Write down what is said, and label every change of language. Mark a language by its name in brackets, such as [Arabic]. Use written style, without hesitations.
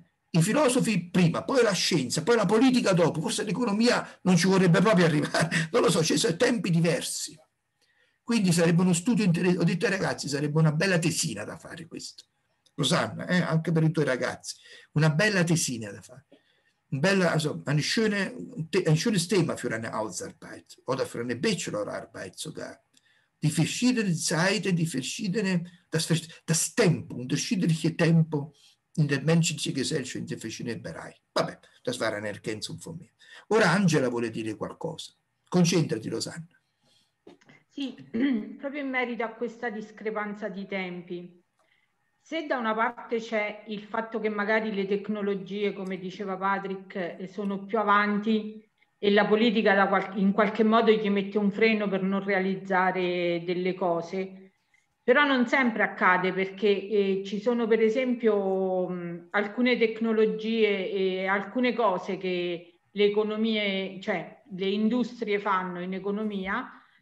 [Italian] i filosofi prima, poi la scienza, poi la politica dopo, forse l'economia non ci vorrebbe proprio arrivare, non lo so, ci sono tempi diversi. Quindi sarebbe uno studio interessante, ho detto ai ragazzi, sarebbe una bella tesina da fare questo. Rosanna, anche per i tuoi ragazzi, una bella tesina da fare. bella, [German] also eine schöne, ein schönes Thema für eine Hausarbeit oder für eine Bachelorarbeit sogar. Die verschiedenen Zeiten, die verschiedene, das Tempo, unterschiedliche Tempo in der menschlichen Gesellschaft, in den verschiedenen Bereichen. Vabbè, das war eine Ergänzung von mir. [Italian] Ora Angela vuole dire qualcosa. Concentrati, Rosanna. Sì, proprio in merito a questa discrepanza di tempi. Se da una parte c'è il fatto che magari le tecnologie, come diceva Patrick, sono più avanti e la politica in qualche modo gli mette un freno per non realizzare delle cose, però non sempre accade, perché ci sono per esempio alcune tecnologie e alcune cose che le economie, cioè le industrie fanno in economia,